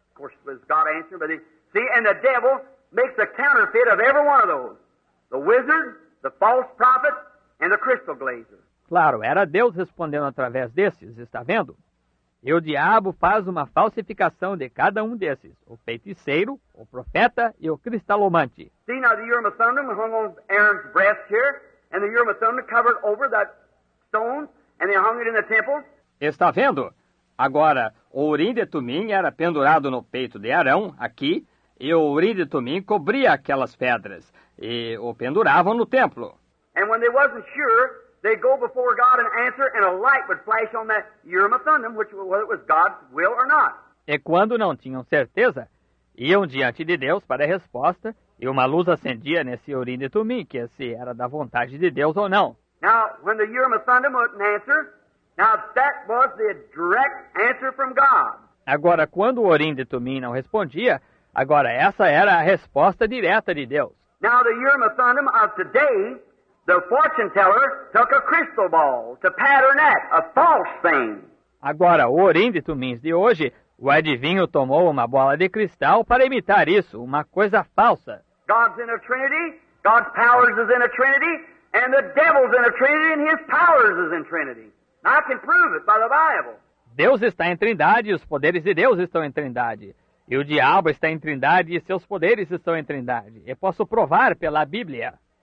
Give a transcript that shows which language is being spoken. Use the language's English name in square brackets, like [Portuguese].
[English] Of course, it was God answering, but he, see, and the devil makes a counterfeit of every one of those. The wizard, the false prophet, and the crystal glazer. [Portuguese] Claro, era Deus respondendo através desses, está vendo? E o diabo faz uma falsificação de cada um desses, o feiticeiro, o profeta e o cristalomante. [English] See, now the Urim and Thummim hung on Aaron's breast here, and the Urim and Thummim covered over that stone, and they hung it in the temple. [Portuguese] Está vendo? Agora, o Urim de Tumim era pendurado no peito de Arão, aqui, e o Urim de Tumim cobria aquelas pedras. E o penduravam no templo. [English] And when they wasn't sure, they go before God and answer, and a light would flash on that Urim and Thummim, which whether it was God's will or not. [Portuguese] E quando não tinham certeza, iam diante de Deus para a resposta, e uma luz acendia nesse Urim de Tumim, que se era da vontade de Deus ou não. [English] Now, when the Urim and Thummim wouldn't answer, now that was the direct answer from God. [Portuguese] Agora, quando o Urim de Tumim não respondia, agora essa era a resposta direta de Deus. [English] Now the Urim and Thummim of today, the fortune teller took a crystal ball to pattern that, a false thing. [Portuguese] Agora, o Urim de Tumim de hoje, o adivinho tomou uma bola de cristal para imitar isso, uma coisa falsa. [English] God's in a trinity, God's powers is in a trinity, and the devil's in a trinity, and his powers is in trinity. I can prove it by the Bible. [Portuguese] Deus está em trindade, os poderes de Deus estão em trindade. E o diabo está em trindade e seus poderes estão em trindade. Eu posso provar pela Bíblia.